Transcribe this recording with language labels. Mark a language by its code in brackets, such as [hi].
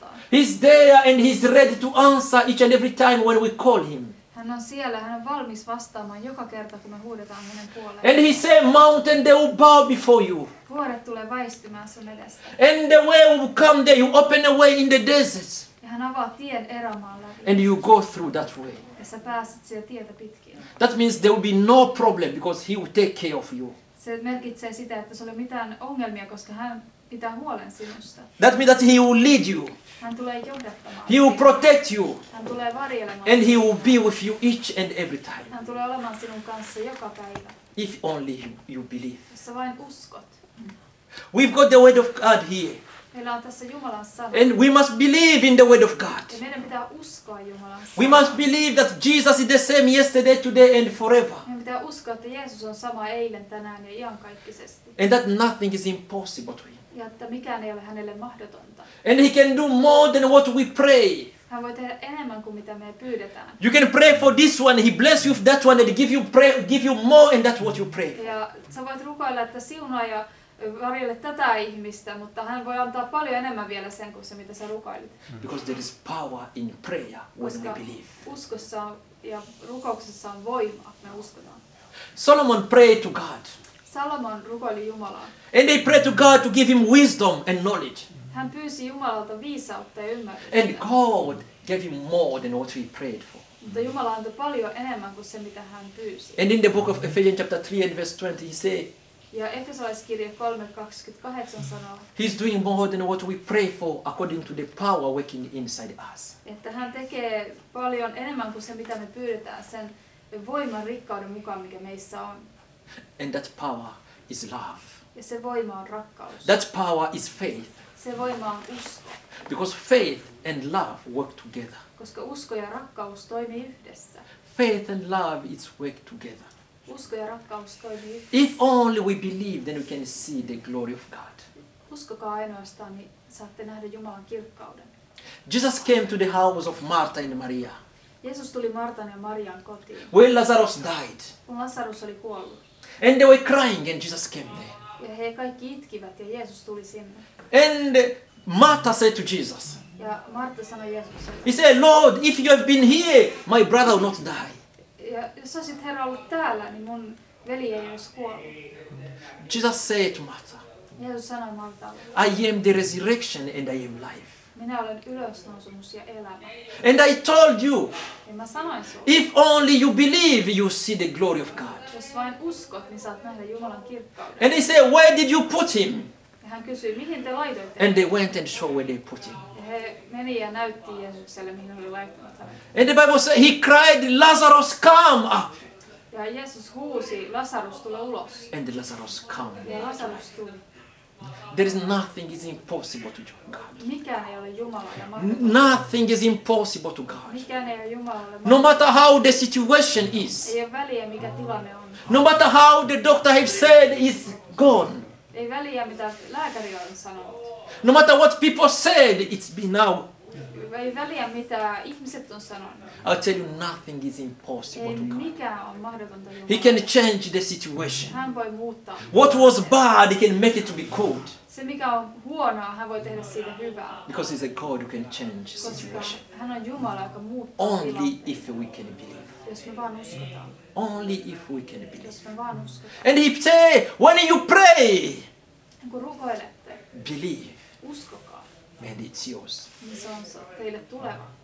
[en] He's there and he's ready to answer each and every time when we call him. [fi] Hän on siellä, hän on valmis vastaamaan joka kerta, kun me huudetaan hänen puoleen. [en] And he said, mountain they will bow before you. [fi] Vuoret tulee väistymään sun edestä. [en] And the way will come there, you open a way in the desert. [fi] Ja hän avaa tien erämaan läpi. [en] And you go through that way. [fi] Ja sä pääset siellä tietä pitkin. [en] That means there will be no problem because he will take care of you. [fi] Se merkitsee sitä, että sulla ei ole mitään ongelmia, koska hän pitää huolen sinusta. [en] That means that he will lead you. [fi] Hän tulee johdattamaan. [en] He will protect you. [fi] Hän tulee varjelemaan. [en] And he will be with you each and every time. [fi] Hän tulee olemaan sinun kanssa joka päivä. [en] If only you believe. [fi] Jos sä vain uskot. [en] We've got the word of God here. [fi] Meillä on tässä Jumalan sana. [en] And we must believe in the word of God. [fi] Ja meidän pitää uskoa Jumalan sana. [en] We must believe that Jesus is the same yesterday, today and forever. [fi] Meidän pitää uskoa, että Jeesus on sama eilen, tänään ja iankaikkisesti. [en] And that nothing is impossible to him. [fi] Ja että mikään ei ole hänelle mahdotonta. [en] And he can do more than what we pray. [fi] Han voi tehdä enemmän kuin mitä me pyydetään. [en] You can pray for this one, he bless you for that one, and give you more, and that's what you pray. [fi] Ja sä voit rukoilla, että siunaa ja varjelle tätä ihmistä, mutta hän voi antaa paljon enemmän vielä sen kuin se, mitä sä rukoilit. [en] Because there is power in prayer when we believe. [fi] Uskossa ja rukouksessa on voimaa, me uskotaan. [en] Solomon prayed to God. [fi] Salomon rukoili Jumalaan. [en] And he prayed to God to give him wisdom and knowledge. [fi] Hän pyysi Jumalalta viisautta ja ymmärrystä. [en] And God gave him more than what he prayed for. [fi] Mutta Jumala antoi paljon enemmän kuin se, mitä hän pyysi. [en] And in the book of Ephesians chapter 3 and verse 20 he said. [fi] Ja Efesolaiskirje 3:28 sanoo. [en] He's doing more than what we pray for according to the power working inside us. [fi] Että hän tekee paljon enemmän kuin se, mitä me pyydetään, sen voiman rikkauden mukaan, mikä meissä on. [en] And that power is love. [fi] Ja se voima on rakkaus. [en] That power is faith. [fi] Se voima on usko. [en] Because faith and love work together. [fi] Koska usko ja rakkaus toimii yhdessä. [en] Faith and love it's work together. [fi] Usko ja rakkaus toimii yhdessä. [en] If only we believe, then we can see the glory of God. [fi] Uskokaa ainoastaan, niin saatte nähdä Jumalan kirkkauden. [en] Jesus came to the house of Martha and Maria. [fi] Jeesus tuli Martan ja Marian kotiin. [en] When Lazarus died. [fi] Kun Lazarus oli kuollut. [en] And they were crying and Jesus came there. [fi] Ja he kaikki itkivät ja Jeesus tuli sinne. [en] And Martha said to Jesus. [fi] Ja Martha sanoi Jeesukselle. [en] He said, Lord, if you have been here, my brother will not die. [fi] Ja jos olisit Herra ollut täällä, niin mun veli ei olisi kuollut. [en] Jesus said to Martha. [fi] Jeesus sanoi Martalle. [en] I am the resurrection and I am life. [fi] Minä olen ylösnousemus ja elämä. [en] And I told you. [fi] Ja mä sanoin sulle. [en] If only you believe, you see the glory of God. [fi] Jos vain uskot, niin saat nähdä Jumalan kirkkauden. [en] And he said, where did you put him? [fi] Ja hän kysyi, mihin te laitoitte? [en] And they went and showed where they put him. [fi] Ja he meni ja näytti Jeesukselle, mihin oli laittanut hänet. [en] And the Bible said, he cried, Lazarus, come up. [fi] Ja Jeesus huusi, Lazarus, tule ulos. [en] And Lazarus came. [fi] Ja Lazarus tuli. [en] There is nothing is impossible to God. [fi] Mikään ei ole Jumalalle mahdotonta. [en] Nothing is impossible to God. [fi] Mikään ei ole Jumalalle mahdotonta. [en] No matter how the situation is. [fi] Ei ole väliä mikä tilanne on. [en] No matter how the doctor has said is gone. [fi] Ei väliä mitä lääkäri on sanonut. [en] No matter what people said it's been now. [fi] Ei väliä mitä ihmiset on sanonut. [en] I'll tell you nothing is impossible [fi] ei [en] to God. [fi] Mikään on mahdotonta Jumalalle. [en] He can change the situation. [fi] Hän voi muuttaa. [en] What was bad he can make it to be good. [fi] Se mikä on huonoa hän voi tehdä siitä hyvää. [en] Because he's a God who can change situation. [fi] Hän on Jumala joka muuttaa. [en] Only if we can believe. [fi] Jos me vaan uskotaan. [en] Only if we can believe. [fi] Jos me vaan uskotaan. [en] And he say when you pray. [fi] Kun rukoilette. [en] Believe. [fi] Uskokaa. [en] And it's yours. [fi] Niin se on teille tuleva.